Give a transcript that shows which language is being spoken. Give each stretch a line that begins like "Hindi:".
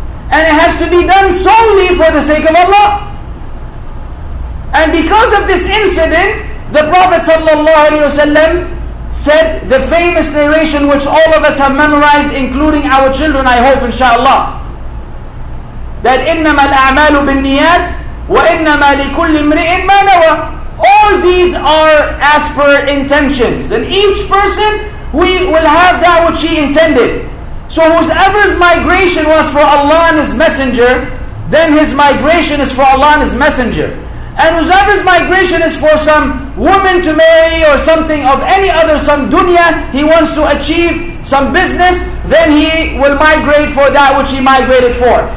English: And it has to be done solely for the sake of Allah. And because of this incident, the Prophet ﷺ said the famous narration which all of us have memorized, including our children, I hope, inshallah.
Arabic: That إِنَّمَا الْأَعْمَالُ بِالنِّيَاتِ وَإِنَّمَا لِكُلِّ امْرِئٍ مَا نَوَى.
English: All deeds are as per intentions. And each person, we will have that which he intended. So whosoever's migration was for Allah and His Messenger, then his migration is for Allah and His Messenger. And whosoever's migration is for some woman to marry or something of any other, some dunya, he wants to achieve some business, then he will migrate for that which he migrated for.